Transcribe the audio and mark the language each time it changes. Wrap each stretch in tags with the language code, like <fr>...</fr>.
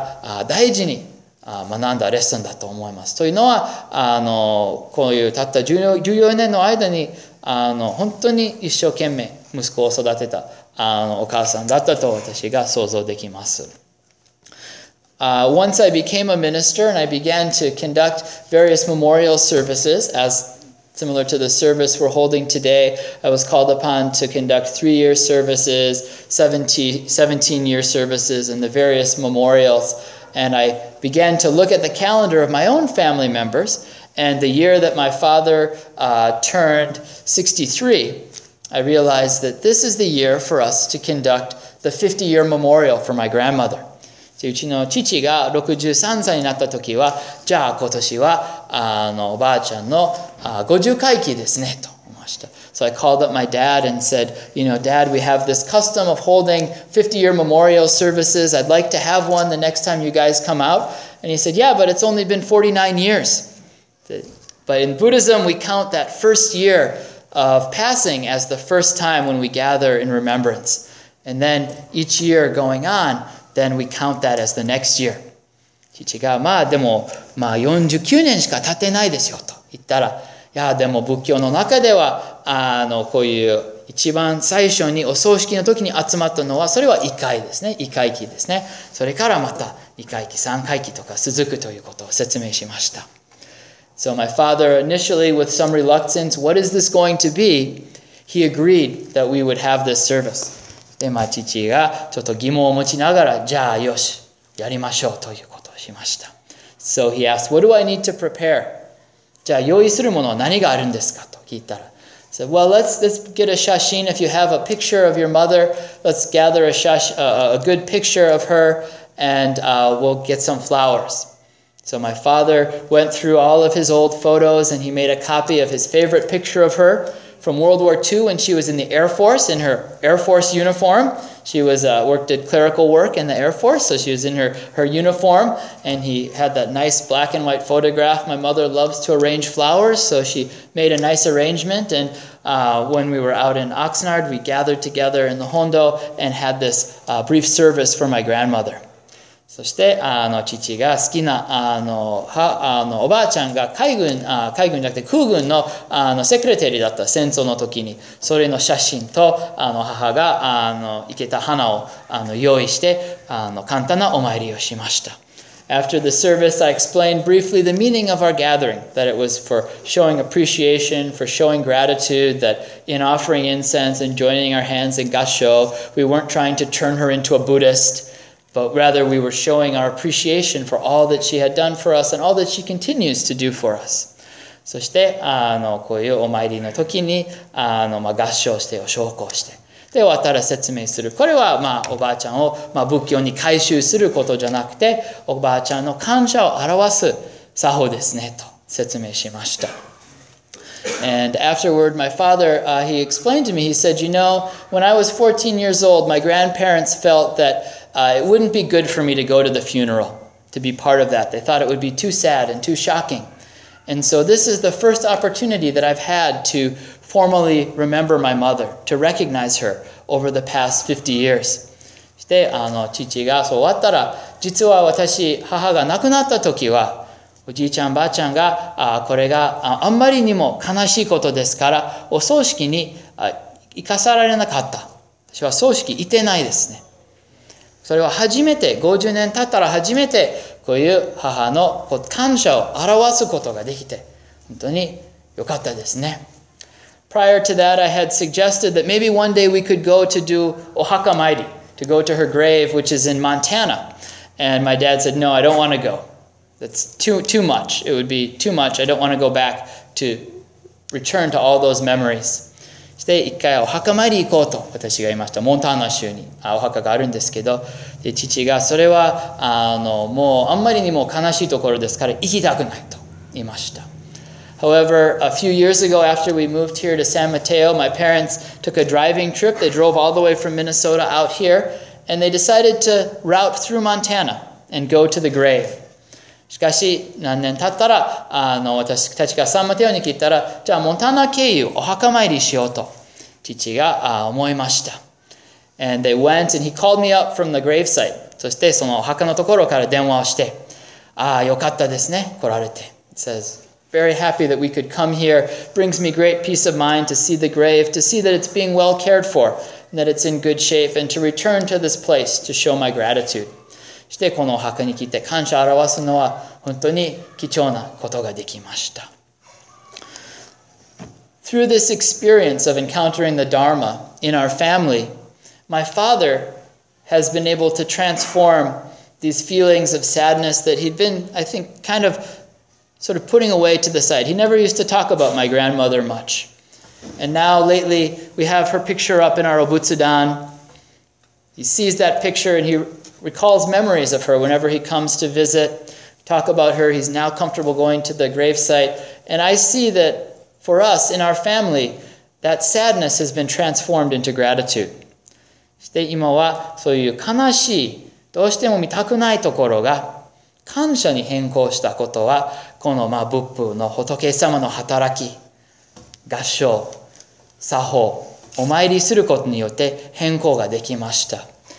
<ja>でも母と一緒、お母さんと一緒に行った時は、そういう大切さを学んだというのは、父が大事に学んだレッスンだと思います。というのは、こういうたった14年の間に本当に一生懸命息子を育てたお母さんだったと私が想像できます。</ja> <en>Once I became a minister and I began to conduct various memorial services as similar to the service we're holding today, I was called upon to conduct three-year services, 17-year services, and the various memorials. And I began to look at the calendar of my own family members, and the year that my father turned 63, I realized that this is the year for us to conduct the 50-year memorial for my grandmother.</en> <ja>うちの父が63歳になった時は、じゃあ今年はおばあちゃんの50回忌ですねと思いました。</ja> <en>So I called up my dad and said, you know, Dad, we have this custom of holding 50-year memorial services. I'd like to have one the next time you guys come out. And he said, yeah, but it's only been 49 years. But in Buddhism, we count that first year of passing as the first time when we gather in remembrance. And then each year going on,Then we count that as the next year.</en> <ja>父が、まあでも、まあ49年しか経ってないですよと言ったら、いや、でも仏教の中では、こういう一番最初にお葬式の時に集まったのは、それは異界ですね。異界期ですね。それからまた異界期、三界期とか続くということを説明しました。</ja> <en>So my father initially with some reluctance, what is this going to be? He agreed that we would have this service.</en> <ja>で、まあ、父がちょっと疑問を持ちながら、じゃあよし、やりましょうということをしました。</ja> <en>So he asked, what do I need to prepare?</en> <ja>じゃあ用意するものは何があるんですかと聞いたら。</ja> <en>So, well, let's get a 写真 if you have a picture of your mother. Let's gather a good picture of her and we'll get some flowers. So my father went through all of his old photos and he made a copy of his favorite picture of her. From World War II, when she was in the Air Force, in her Air Force uniform. She was, did clerical work in the Air Force, so she was in her uniform. And he had that nice black and white photograph. My mother loves to arrange flowers, so she made a nice arrangement. And when we were out in Oxnard, we gathered together in the Hondo and had this brief service for my grandmother.</en> <ja>そして父が好きなおばあちゃんが海軍じゃなくて空軍のセクレタリーだった戦争の時にそれの写真と母が生けた花を用意して簡単なお参りをしました。</ja> <en>After the service, I explained briefly the meaning of our gathering, that it was for showing appreciation, for showing gratitude, that in offering incense and joining our hands in gassho, we weren't trying to turn her into a Buddhist. But rather, we were showing our appreciation for all that she had done for us and all that she continues to do for us.</en> <ja>そして、こういうお参りの時に、合唱して、お焼香して。で、終わったら説明する。これは、おばあちゃんを、仏教に改宗することじゃなくて、おばあちゃんの感謝を表す作法ですね、と説明しました。</ja> <en>And afterward, my father, he explained to me, he said, you know, when I was 14 years old, my grandparents felt that it wouldn't be good for me to go to the funeral, to be part of that. They thought it would be too sad and too shocking. And so this is the first opportunity that I've had to formally remember my mother, to recognize her over the past 50 years.</en> <ja>そして、父がそう終わったら、実は私、母が亡くなった時は、おじいちゃんばあちゃんがこれがあんまりにも悲しいことですからお葬式に行かさられなかった私は葬式行ってないですねそれは初めて50年経ったら初めてこういう母の感謝を表すことができて本当に良かったですね</ja> <en>Prior to that I had suggested that maybe one day we could go to do お墓参り to go to her grave which is in Montana and my dad said no I don't want to goThat's too much. It would be too much. I don't want to go back to return to all those memories.</en> <ja>そして一回お墓参り行こうと私が言いました。モンタナ州にお墓があるんですけど、で父がそれはもうあんまりにも悲しいところですから行きたくないと言いました。</ja> <en>However, a few years ago, after we moved here to San Mateo, my parents took a driving trip. They drove all the way from Minnesota out here, and they decided to route through Montana and go to the grave.</en> <ja>しかし何年経ったら私たちがサンマテオに聞いたらじゃあモンタナ経由お墓参りしようと父が思いました</ja> <en>And they went and he called me up from the gravesite</en> <ja>そしてそのお墓のところから電話をしてああよかったですね来られて</ja> <en>It says Very happy that we could come here. Brings me great peace of mind to see the grave, to see that it's being well cared for, and that it's in good shape, and to return to this place to show my gratitude.</en> <ja>してこのお墓に来て感謝を表すのは本当に貴重なことができました。</ja> <en>Through this experience of encountering the Dharma in our family, my father has been able to transform these feelings of sadness that he'd been, I think, kind of sort of putting away to the side. He never used to talk about my grandmother much. And now lately we have her picture up in our obutsudan. He sees that picture and he recalls memories of her whenever he comes to visit, talk about her. He's now comfortable going to the gravesite. And I see that for us, in our family, that sadness has been transformed into gratitude.</en> <ja>して今はそういう悲しい、どうしても見たくないところが感謝に変更したことは、このまあ仏父の仏様の働き、合掌、作法、お参りすることによって変更ができました。</ja>